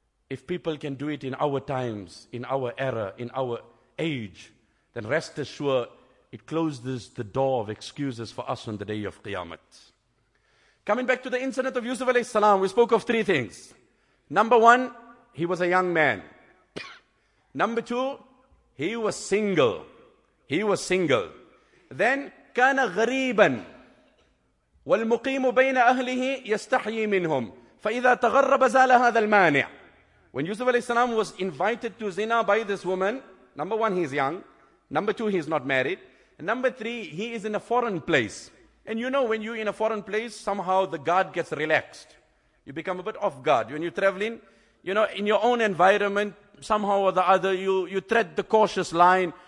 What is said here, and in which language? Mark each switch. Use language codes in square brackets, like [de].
[en] If people can do it in our times, in our era, in our age, then rest assured, it closes the door of excuses for us on the day of Qiyamah. Coming back to the incident of Yusuf alayhi salam, we spoke of three things. Number one, he was a young man. Number two, he was single. He was single. [ar] Then, كان غريبا والمقيم بين أهله يستحي منهم فإذا تغرب زال هذا المانع. [en] When Yusuf alayhi salam was invited to zina by this woman, number one, he's young. Number two, he's not married. And number three, he is in a foreign place. And you know, when you're in a foreign place, somehow the guard gets relaxed. You become a bit off guard. When you're traveling, you know, in your own environment, somehow or the other, you tread the cautious line.